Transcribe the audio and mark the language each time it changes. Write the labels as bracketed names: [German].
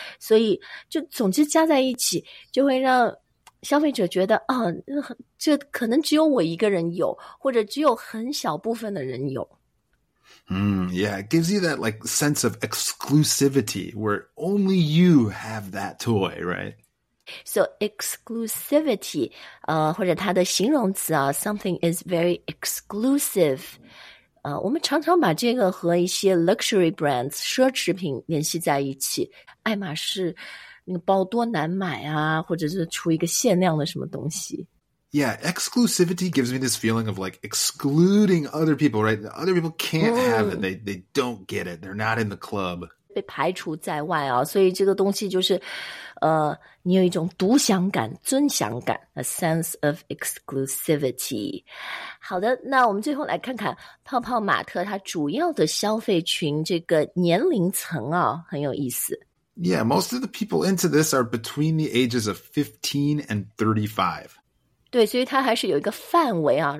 [Chinese] 所以就总之加在一起，就会让消费者觉得啊、哦，这可能只有我一个人有，或者只有很小部分的人有。 [English] Yeah, it gives you that like sense of exclusivity where only you have that toy, right? So exclusivity, [Chinese] 或者它的形容词啊 [English] something is very exclusive. [Chinese] 我们常常把这个和一些 luxury brands, 奢侈品联系在一起。爱马仕那个包多难买啊或者是出一个限量的什么东西。 [English] Yeah, exclusivity gives me this feeling of like excluding other people, right? Other people can't have it. They don't get it. They're not in the club. [Chinese] 被排除在外啊，所以这个东西就是，你有一种独享感、尊享感 ， [English] a sense of exclusivity. [Chinese] 好的，那我们最后来看看泡泡玛特它主要的消费群这个年龄层啊，很有意思。 [English] Yeah, most of the people into this are between the ages of 15 and 35. [Chinese] 对，所以它还是有一个范围啊。